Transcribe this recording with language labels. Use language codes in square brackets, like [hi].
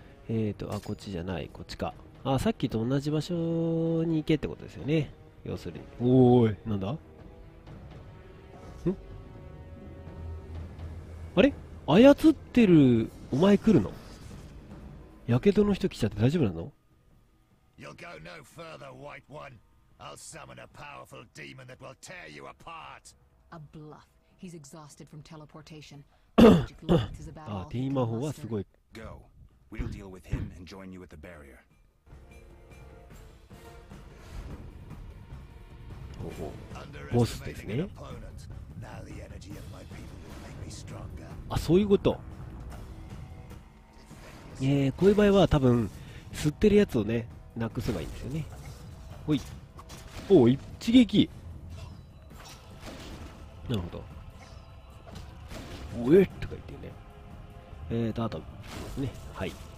[ja] あ、こっちじゃない、こっちか。あ、さっきと同じ場所に行けってことですよね。要するに。おーい、なんだ? ん?あれ?操ってる、お前来るの? やけどの人来ちゃって大丈夫なの? [en] You'll go no further, white one. I'll summon a powerful demon that will tear you apart. A bluff. He's exhausted from teleportation. [ja] あ、ディーマ法はすごい。 [en] Go. We'll deal with him and join you at the barrier. Underestimating an opponent. Now the energy of my people will make me stronger. [ja] あ、そういうこと。こういう場合は多分吸ってるやつをねなくせばいいんですよね。ほい。おお、一撃。なるほど。うえっとか言ってね。あとね、はい。